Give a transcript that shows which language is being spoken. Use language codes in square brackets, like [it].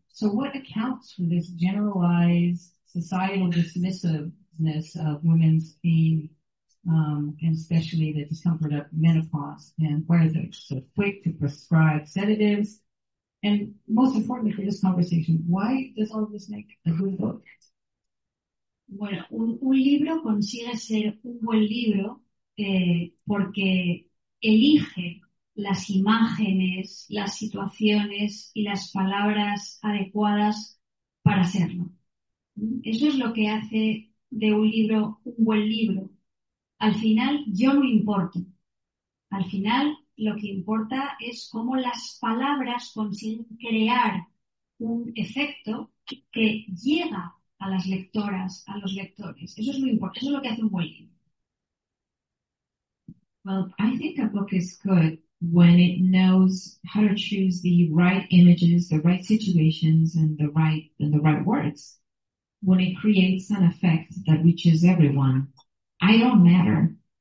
[en] So what accounts for this generalized societal dismissiveness of women's pain, and especially the discomfort of menopause, and why are they so quick to prescribe sedatives? And most importantly for this conversation, why does all of this make a good book? [es] Bueno, un libro consigue ser un buen libro porque elige las imágenes, las situaciones y las palabras adecuadas para hacerlo. Eso es lo que hace de un libro un buen libro. Al final, yo no importo. Al final, lo que importa es cómo las palabras consiguen crear un efecto que llega a las lectoras, a los lectores. Eso es lo importante. Eso es lo que hace un buen libro. [en] Well, I think a book is good when it knows how to choose the right images, the right situations, and the right words. When it creates an effect that reaches everyone, I don't matter.